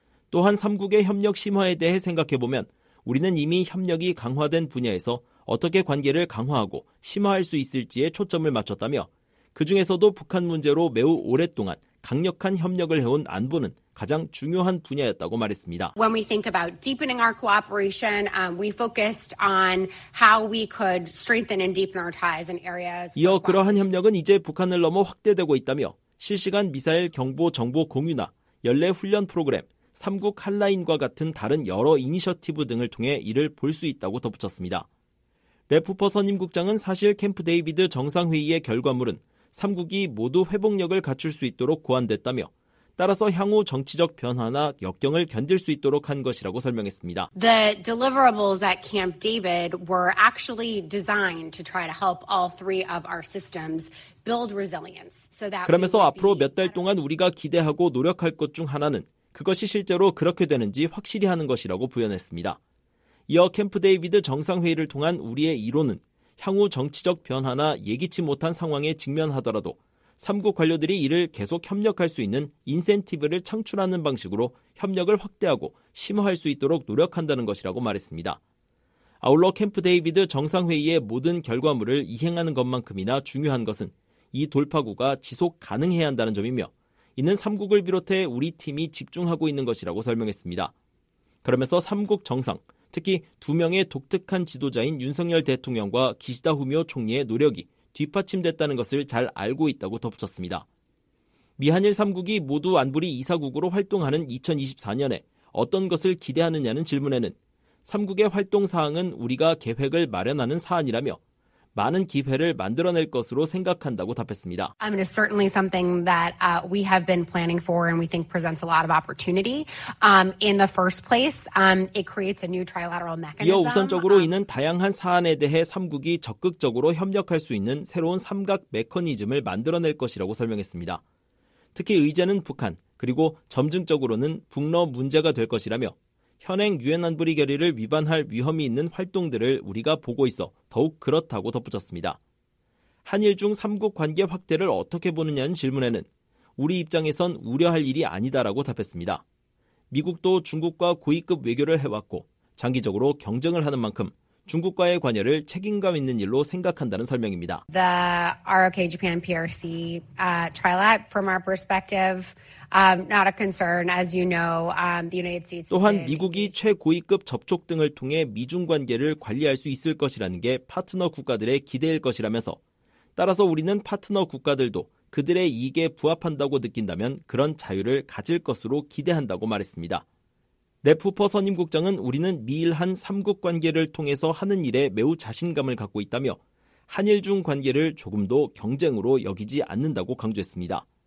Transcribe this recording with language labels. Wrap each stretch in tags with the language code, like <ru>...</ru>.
<ko>또한 3국의 협력 심화에 대해 생각해보면 우리는 이미 협력이 강화된 분야에서 어떻게 관계를 강화하고 심화할 수 있을지에 초점을 맞췄다며 그중에서도 북한 문제로 매우 오랫동안 강력한 협력을 해온 안보는 가장 중요한 분야였다고 말했습니다.</ko> <en>When we think about deepening our cooperation, we focused on how we could strengthen and deepen our ties in areas.</en> <ko>이어 그러한 협력은 이제 북한을 넘어 확대되고 있다며 실시간 미사일 경보 정보 공유나 연례 훈련 프로그램, 3국 한라인과 같은 다른 여러 이니셔티브 등을 통해 이를 볼 수 있다고 덧붙였습니다. 레프퍼 선임 국장은 사실 캠프 데이비드 정상회의의 결과물은 3국이 모두 회복력을 갖출 수 있도록 고안됐다며 따라서 향후 정치적 변화나 역경을 견딜 수 있도록 한 것이라고 설명했습니다.</ko> <en>The deliverables at Camp David were actually designed to try to help all three of our systems build resilience.</en> <ko>그러면서 앞으로 몇 달 동안 우리가 기대하고 노력할 것 중 하나는 그것이 실제로 그렇게 되는지 확실히 하는 것이라고 부연했습니다. 이어 캠프 데이비드 정상회의를 통한 우리의 이론은 향후 정치적 변화나 예기치 못한 상황에 직면하더라도 3국 관료들이 이를 계속 협력할 수 있는 인센티브를 창출하는 방식으로 협력을 확대하고 심화할 수 있도록 노력한다는 것이라고 말했습니다. 아울러 캠프 데이비드 정상회의의 모든 결과물을 이행하는 것만큼이나 중요한 것은 이 돌파구가 지속 가능해야 한다는 점이며 이는 3국을 비롯해 우리 팀이 집중하고 있는 것이라고 설명했습니다. 그러면서 3국 정상, 특히 두 명의 독특한 지도자인 윤석열 대통령과 기시다 후미오 총리의 노력이 뒷받침됐다는 것을 잘 알고 있다고 덧붙였습니다. 미한일 3국이 모두 안보리 2사국으로 활동하는 2024년에 어떤 것을 기대하느냐는 질문에는 3국의 활동 사항은 우리가 계획을 마련하는 사안이라며 많은 기회를 만들어낼 것으로 생각한다고 답했습니다.</ko> <en>I mean, it's certainly something that we have been planning for and we think presents a lot of opportunity. In the first place, it creates a new trilateral mechanism.</en> <ko>이어 우선적으로 이는 다양한 사안에 대해 3국이 적극적으로 협력할 수 있는 새로운 삼각 메커니즘을 만들어낼 것이라고 설명했습니다. 특히 의제는 북한, 그리고 점증적으로는 북러 문제가 될 것이라며 현행 유엔 안보리 결의를 위반할 위험이 있는 활동들을 우리가 보고 있어 더욱 그렇다고 덧붙였습니다. 한일 중 3국 관계 확대를 어떻게 보느냐는 질문에는 우리 입장에선 우려할 일이 아니다라고 답했습니다. 미국도 중국과 고위급 외교를 해왔고 장기적으로 경쟁을 하는 만큼 중국과의 관여를 책임감 있는 일로 생각한다는 설명입니다.</ko> <en>The ROK Japan PRC trilat from our perspective not a concern as you know the United States</en> <ko>또한 미국이 최고위급 접촉 등을 통해 미중 관계를 관리할 수 있을 것이라는 게 파트너 국가들의 기대일 것이라면서 따라서 우리는 파트너 국가들도 그들의 이익에 부합한다고 느낀다면 그런 자유를 가질 것으로 기대한다고 말했습니다. 레프퍼 선임 국장은 우리는 미일한 3국 관계를 통해서 하는 일에 매우 자신감을 갖고 있다며 한일 중 관계를 조금도 경쟁으로 여기지 않는다고 강조했습니다.</ko>